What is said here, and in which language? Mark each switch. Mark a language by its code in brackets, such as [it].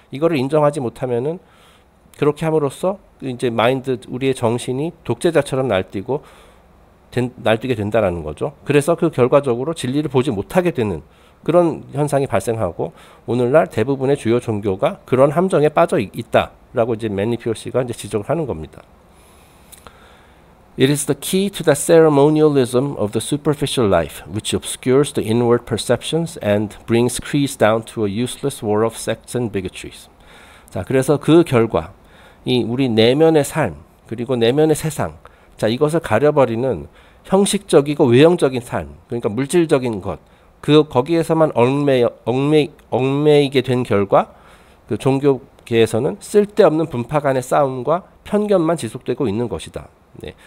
[ko] 이거를 인정하지 못하면은 그렇게 함으로써 이제 마인드 우리의 정신이 독재자처럼 날뛰게 된다라는 거죠. 그래서 그 결과적으로 진리를 보지 못하게 되는 그런 현상이 발생하고 오늘날 대부분의 주요 종교가 그런 함정에 빠져 있다라고 이제 매니피오 씨가 이제 지적을 하는 겁니다. [en] It is the key to the ceremonialism of the superficial life, which obscures the inward perceptions and brings creeds down to a useless war of sects and bigotries. [ko] 자, 그래서 그 결과, 이 우리 내면의 삶, 그리고 내면의 세상, 자, 이것을 가려버리는 형식적이고 외형적인 삶, 그러니까 물질적인 것, 거기에서만 얽매이게 된 결과, 그 종교계에서는 쓸데없는 분파 간의 싸움과 편견만 지속되고 있는 것이다. 네.